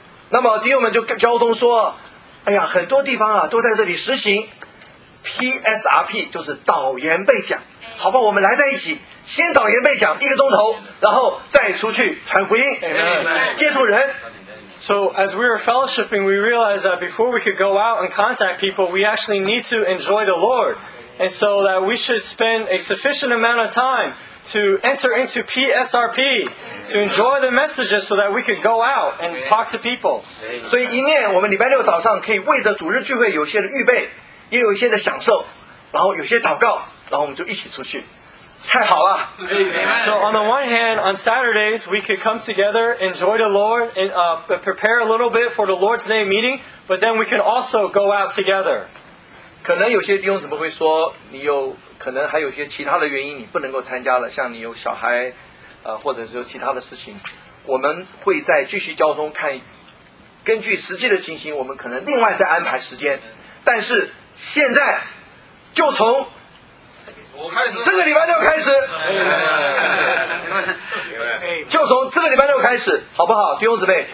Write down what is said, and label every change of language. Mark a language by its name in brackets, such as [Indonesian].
[Chinese] 那么弟兄们就跟交通说：“哎呀，很多地方啊都在这里实行 PSRP， 就是导言备讲。好吧，我们来在一起，先导言备讲一个钟头，然后再出去传福音，接触人。” [English] So as we were fellowshipping, we realized that before we could go out and contact people, we actually need to enjoy the Lord, and so that we should spend a sufficient amount of time. to enter into PSRP, to enjoy the messages so that we could go out and talk to people. [Chinese] 所以一面我们礼拜六早上可以为着主日聚会有些的预备，也有一些的享受，然后有些祷告，然后我们就一起出去。太好了。 [English] So on the one hand, on Saturdays, we could come together, enjoy the Lord, and prepare a little bit for the Lord's Day meeting, but then we can also go out together. [Chinese] 可能有些弟兄怎么会说你有可能还有些其他的原因你不能够参加了，像你有小孩，或者是有其他的事情，我们会在继续交通看，根据实际的情形，我们可能另外再安排时间。但是现在就从这个礼拜六开始，就从这个礼拜六开始，好不好，弟兄姊妹？